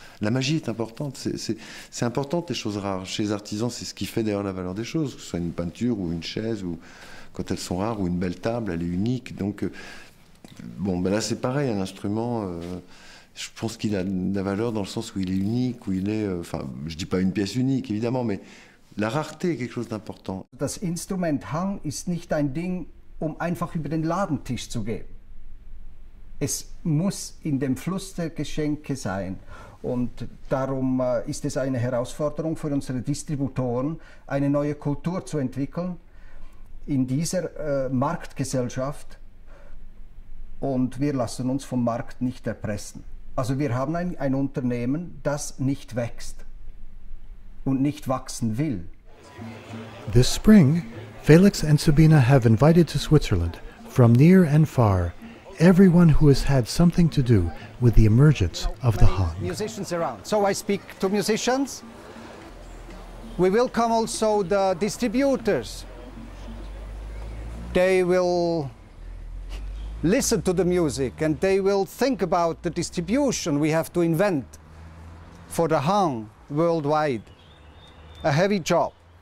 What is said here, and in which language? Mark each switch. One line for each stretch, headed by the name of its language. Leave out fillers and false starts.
French: La magie est importante, c'est important les choses rares. Chez les artisans, c'est ce qui fait d'ailleurs la valeur des choses, que ce soit une peinture ou une chaise, ou quand elles sont rares, ou une belle table, elle est unique. Donc bon, ben là c'est pareil, un instrument... Je pense qu'il a de la valeur dans le sens où il est unique, où il est, enfin, je ne dis pas une pièce unique, évidemment, mais la rareté est quelque chose d'important.
German: Das Instrument Hang ist nicht ein Ding, um einfach über den Ladentisch zu gehen. Es muss in dem Fluss der Geschenke sein. Und darum ist es eine Herausforderung für unsere Distributoren, eine neue Kultur zu entwickeln in dieser Marktgesellschaft. Und wir lassen uns vom Markt nicht erpressen. Also wir haben ein Unternehmen, das nicht wächst und nicht wachsen will.
English: This spring, Felix and Sabina have invited to Switzerland, from near and far, everyone who has had something to do with the emergence of the Hang. Musicians around. So I speak to musicians. We welcome also the distributors. They will listen to the music and they will think about the distribution we have to invent for the Hang worldwide. A heavy job.